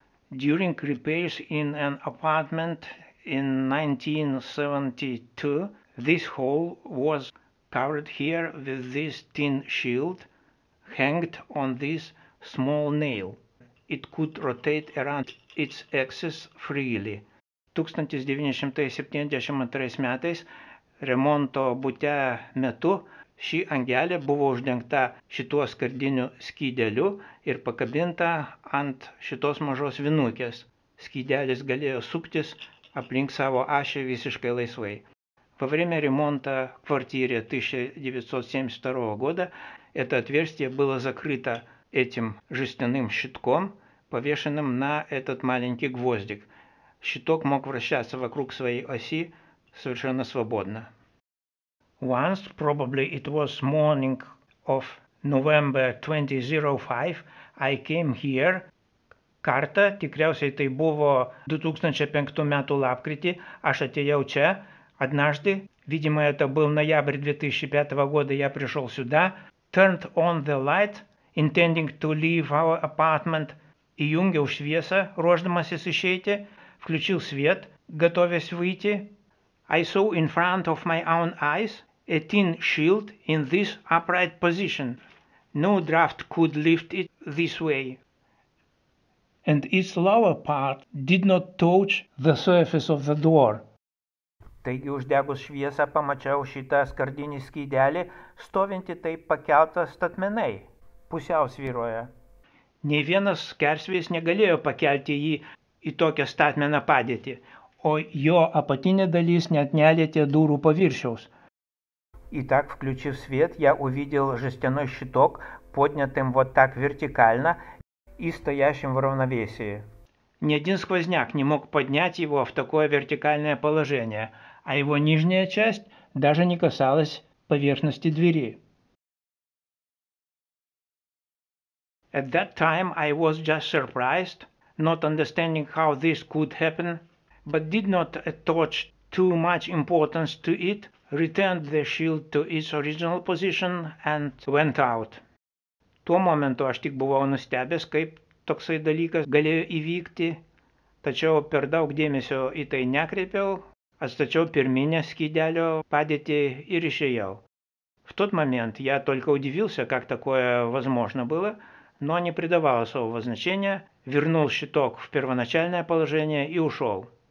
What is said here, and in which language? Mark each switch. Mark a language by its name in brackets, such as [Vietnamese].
[English] During repairs in an apartment in 1972, this hole was covered here with this tin shield hanged on this small nail. It could rotate around its axis freely. [Lithuanian] 1972 metais remonto bute metu ši angelė buvo uždengta šituo skardiniu skydeliu ir pakabinta ant šitos mažos vinukės. Skydelis galėjo suktis aplink savo ašį visiškai laisvai. [Russian] Во время ремонта квартиры 1972 года это отверстие было закрыто этим жестяным щитком, повешенным на этот маленький гвоздик. Щиток мог вращаться вокруг своей оси совершенно свободно. [English] Once, probably it was morning of November 2005, I came here. [Lithuanian] Карта, тикряусей тай буво 2005 мяту лапкрити, аж атеяу ча. [Russian] Однажды, видимо, это был ноябрь 2005 года, я пришел сюда, [English] turned on the light, intending to leave our apartment, [Lithuanian] įjungiau šviesą, ruošdamasis išeiti, [Russian] включил свет, готовясь выйти. [English] I saw in front of my own eyes a tin shield in this upright position. No draft could lift it this way. And its lower part did not touch the surface of the door. [Lithuanian] Taigi uždegus šviesą pamačiau šitą skardinį skydelį, stovinti taip pakeltas statmenai, pusiau svyroja. Nei vienas skersvės negalėjo pakelti jį į tokią statmeną padėtį, o jo apatinė dalis net nelietė durų paviršiaus. [Russian] И так, включив свет, я увидел жестяной щиток, поднятым вот так вертикально и стоящим в равновесии. Ни один сквозняк не мог поднять его в такое вертикальное положение, а его нижняя часть даже не касалась поверхности двери. [English] At that time I was just surprised, not understanding how this could happen, but did not attach too much importance to it, returned the shield to its original position and went out. [Lithuanian] Tuo momentu aš tik buvau nustebęs, kaip toksai dalykas galėjo įvykti, tačiau per daug dėmesio į tai nekreipiau, atstačiau pirminę skydelio padėtį ir išėjau. [Russian] В тот момент я только удивился, как такое возможно было, но не придавал особого значения, вернул щиток в первоначальное положение и ушел.